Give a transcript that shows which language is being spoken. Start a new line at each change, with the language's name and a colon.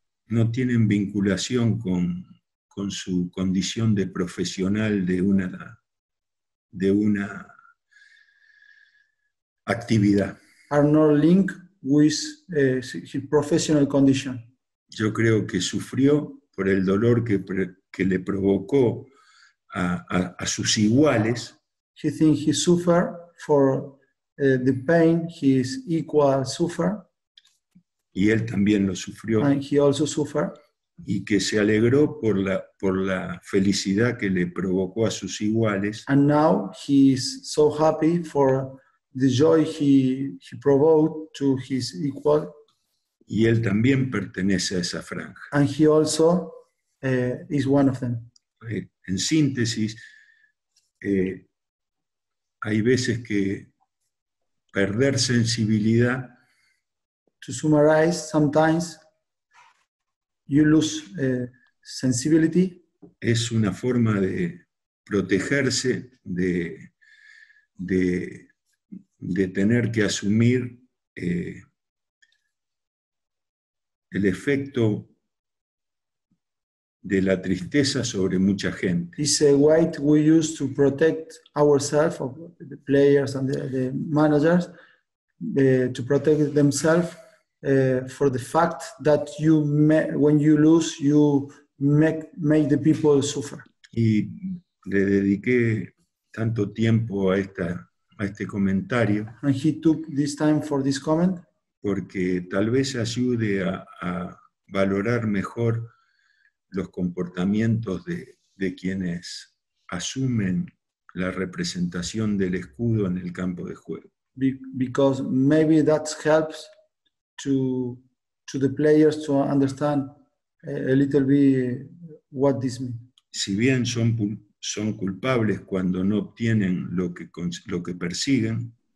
Spanish: No tienen vinculación con su condición de profesional de una actividad.
English: Are not linked with his professional condition.
Spanish: Yo creo que sufrió por el dolor que le provocó a sus iguales.
English: He thinks he suffered for the pain his equal suffer.
Spanish: Y él también lo sufrió.
English: And he also suffered.
Spanish: Y que se alegró por la felicidad que le provocó a sus iguales.
English: And now he is so happy for the joy he provoked to his equal.
Spanish: Y él también pertenece a esa franja.
English: And he also is one of them.
Spanish: En síntesis, hay veces que perder sensibilidad.
English: To summarize, sometimes you lose sensibility.
Spanish: Es una forma de protegerse de tener que asumir el efecto de la tristeza sobre mucha gente.
English: It's a way we use to protect ourselves, of the players and the managers, to protect themselves for the fact that when you lose, you make the people suffer.
Spanish: Y le dediqué tanto tiempo a esta a este comentario.
English: And he took this time for this comment.
Spanish: Porque tal vez ayude a valorar mejor los comportamientos de quienes asumen la representación del escudo en el campo de juego.
English: Because maybe that helps to the players to understand a little bit what this means.
Spanish: Si bien son culpables cuando no obtienen lo que persiguen.